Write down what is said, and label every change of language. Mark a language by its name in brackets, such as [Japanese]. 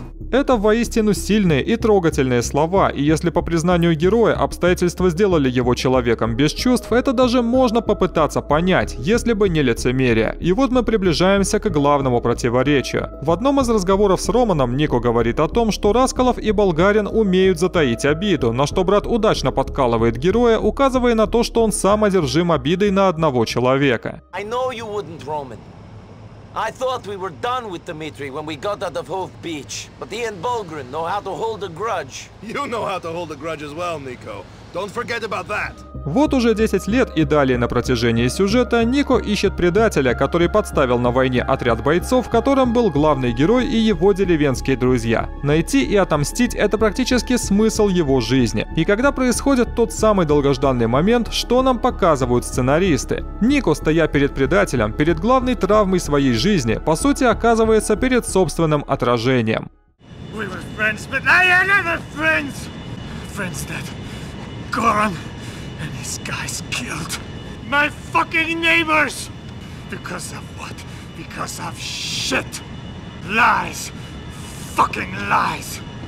[Russian] Это воистину сильные и трогательные слова, и если по признанию героя обстоятельства сделали его человеком без чувств, это даже можно попытаться понять, если бы не лицемерие. И вот мы приближаемся к главному противоречию. В одном из разговоров с Романом Нико говорит о том, что Раскалов и Болгарин умеют затаить обиду, на что брат удачно подкалывает героя, указывая на то, что он сам одержим обидой на одного человека. [English] I know you wouldn't, Roman. I thought we were done with Dimitri when we got out of Hove Beach, but he and Bulgren know how to hold a grudge. You know how to hold a grudge as well, Nico. Don't forget about that. [Russian] Вот уже 10 лет и далее на протяжении сюжета Нико ищет предателя, который подставил на войне отряд бойцов, в котором был главный герой и его деревенские друзья. Найти и отомстить — это практически смысл его жизни. И когда происходит тот самый долгожданный момент, что нам показывают сценаристы? Нико, стоя перед предателем, перед главной травмой своей жизни, по сути оказывается перед собственным отражением. [English] We were friends, but I am never friends. Friends dead. Gone. And these guys killed my fucking neighbors because of what? Because of shit. Lies. Fucking lies.